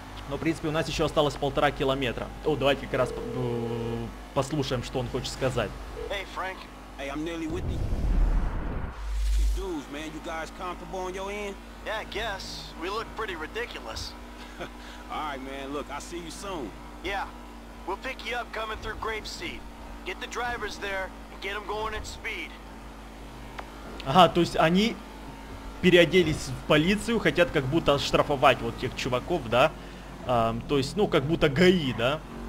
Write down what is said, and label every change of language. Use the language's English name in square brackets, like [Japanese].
[Russian] Но, в принципе, у нас еще осталось 1,5 километра. О, давайте как раз послушаем, что он хочет сказать. [English] Hey, Frank. Hey, I'm nearly with you. Hey, dudes, man, you guys comfortable on your end? Yeah, I guess. We look pretty ridiculous. All right, man, look, I'll see you soon. Yeah. We'll pick you up coming through Grape Seed. Get the drivers there and get them going at speed. [Russian] Ага, то есть они переоделись в полицию, хотят как будто штрафовать вот тех чуваков, да? То есть, ну, как будто ГАИ, да?